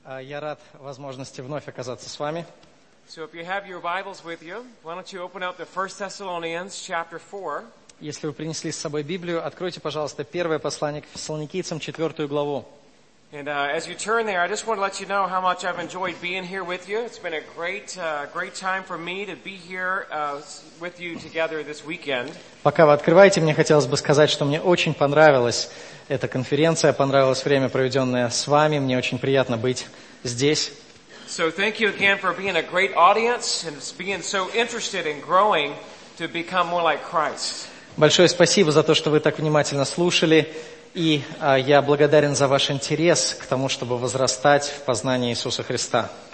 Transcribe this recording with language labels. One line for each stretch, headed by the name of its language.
Russian: Я рад возможности вновь оказаться с вами.
English: So if you have your Bibles with you, why don't you open up to 1 Thessalonians chapter 4.
Russian: Если вы принесли с собой Библию, откройте, пожалуйста, первое послание к Фессалоникийцам, 4 главу.
English: And as you turn there, I just want to let you know how much I've enjoyed being here with you. It's been a great, great time for me to be here with you together this weekend.
Russian: Пока вы открываете, мне хотелось бы сказать, что мне очень понравилась эта конференция, понравилось время, проведенное с вами. Мне очень приятно быть здесь.
English: So thank you again for being a great audience and being so interested in growing to become more like Christ.
Russian: Большое спасибо за то, что вы так внимательно слушали. И я благодарен за ваш интерес к тому, чтобы возрастать в познании Иисуса Христа.